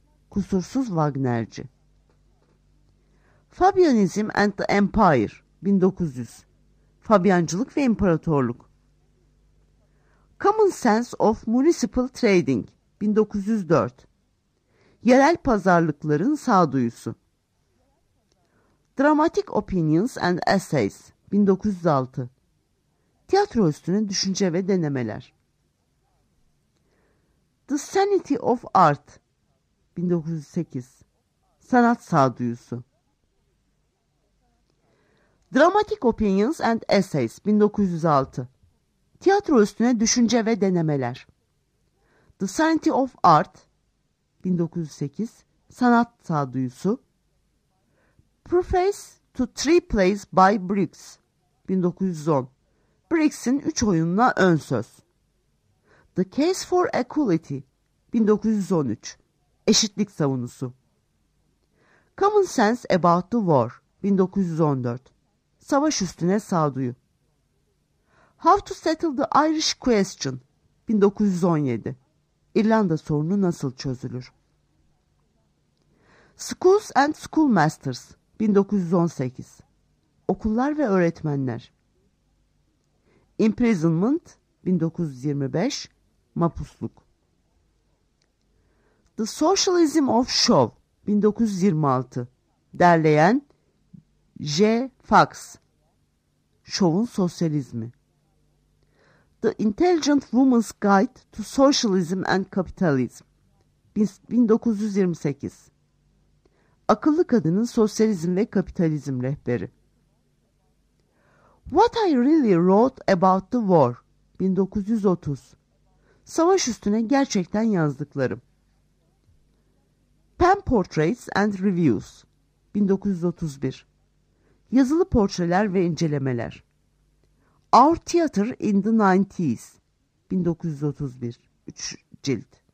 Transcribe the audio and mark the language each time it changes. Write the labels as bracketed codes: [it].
[tr] Kusursuz Wagnerci. [en] Fabianism and the Empire, 1900. [tr] Fabiancılık ve İmparatorluk. [en] Common Sense of Municipal Trading, 1904. [tr] Yerel pazarlıkların sağduyusu. [en] Dramatic Opinions and Essays, 1906. [tr] Tiyatro üstüne düşünce ve denemeler. [en] The Sanity of Art, 1908. [tr] Sanat sağduyusu. [en] Dramatic Opinions and Essays, 1906. [tr] Tiyatro üstüne düşünce ve denemeler. [en] The Sanity of Art, 1908. [tr] Sanat sağduyusu. [en] Preface to Three Plays by Briggs, 1910. [tr] Briggs'in 3 oyununa ön söz. [en] The Case for Equality, 1913. [tr] Eşitlik savunusu. [en] Common Sense About the War, 1914. [tr] Savaş üstüne sağduyu. [en] How to Settle the Irish Question, 1917. [tr] İrlanda sorunu nasıl çözülür? [en] Schools and Schoolmasters, 1918. [tr] Okullar ve Öğretmenler. Imprisonment, 1925. Mapusluk. [en] The Socialism of Show, 1926. [tr] Derleyen J. Fox. Şovun Sosyalizmi. [en] The Intelligent Woman's Guide to Socialism and Capitalism, 1928. [tr] Akıllı Kadının Sosyalizm ve Kapitalizm Rehberi. [en] What I Really Wrote About the War, 1930. [tr] Savaş Üstüne Gerçekten Yazdıklarım. [en] Pen Portraits and Reviews, 1931. [tr] Yazılı Portreler ve İncelemeler. [en] Our Theater in the 90s, 1931, 3 cilt.